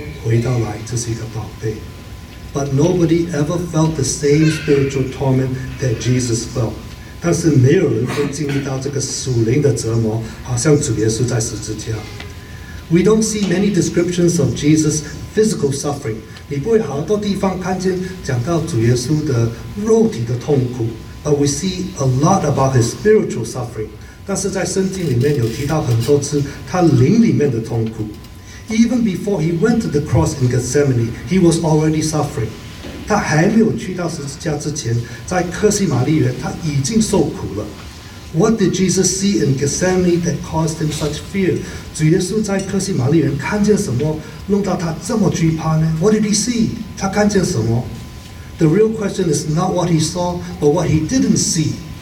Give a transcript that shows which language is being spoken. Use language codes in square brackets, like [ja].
[zh] 这个是我们跟神的隔阂，能够应该能够经历到的。离开之后回到来，这是一个宝贝。 [en] But nobody ever felt the same spiritual torment that Jesus felt. [zh] 但是没有人会经历到这个属灵的折磨，好像主耶稣在十字架。 [en] We don't see many descriptions of Jesus' physical suffering. [zh] 你不会好多地方看见讲到主耶稣的肉体的痛苦。 [en] But we see a lot about his spiritual suffering. [zh] 但是在圣经里面有提到很多次他灵里面的痛苦。 [en] Even before he went to the cross in Gethsemane, he was already suffering. [zh] 他还没有去到十字架之前，在克西玛利园，他已经受苦了。 [en] What did Jesus see in Gethsemane that caused him such fear? [zh] 主耶稣在克西玛利园看见什么，弄到他这么惧怕呢？ [en] What did he see? [zh] 他看见什么？ [en] The real question is not what he saw, but what he didn't see.